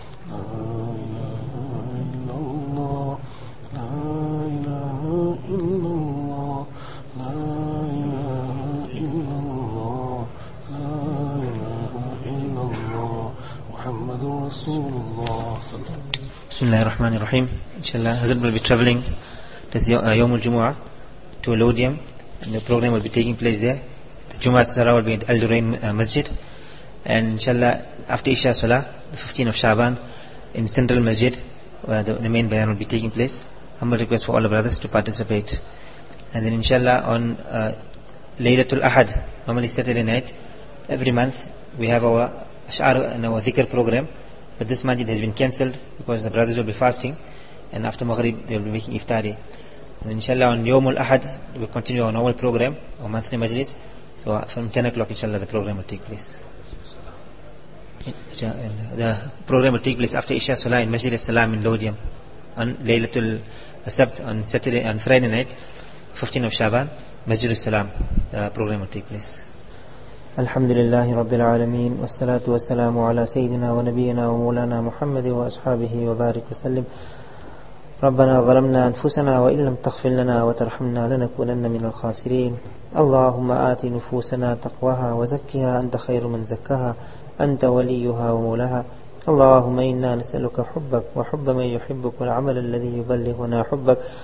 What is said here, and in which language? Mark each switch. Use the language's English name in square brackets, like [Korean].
[Arabic] لا الہ الا اللہ لا الہ الا اللہ لا الہ الا اللہ لا الہ الا اللہ محمد رسول اللہ صلی اللہ علیہ وسلم بسم الله الرحمن الرحيم ان شاء الله [English] Hazrat will be traveling this yom al-jumu'ah to Lodium and the program will be taking place there the jumu'ah salah will be at al-durain masjid and inshallah after isha salah the 15th of shaban in central masjid where the main bayan will be taking place humble request for all the brothers to participate and then inshallah on laylatul ahad normally Saturday night every month we have our ash'ar and our dhikr program But this masjid has been cancelled because the brothers will be fasting and after Maghrib they will be making iftari. And inshallah on Yawmul Ahad we will continue our normal program, our monthly majlis. So from 10 o'clock inshallah the program will take place. The program will take place after Isha Salah in Masjid As-Salam in Lodium on Laylatul Sabt on Saturday and Friday night, 15th of Shaban, Masjid As-Salam, the program will take place. [Arabic] الحمد لله رب العالمين والصلاة والسلام على سيدنا ونبينا ومولانا محمد وأصحابه وبارك وسلم ربنا ظلمنا أنفسنا وإن لم تغفر لنا وترحمنا لنكونن من الخاسرين اللهم آت نفوسنا تقواها وزكها أنت خير من زكها أنت وليها ومولاها اللهم إنا نسألك حبك وحب من يحبك والعمل الذي يبلغنا حبك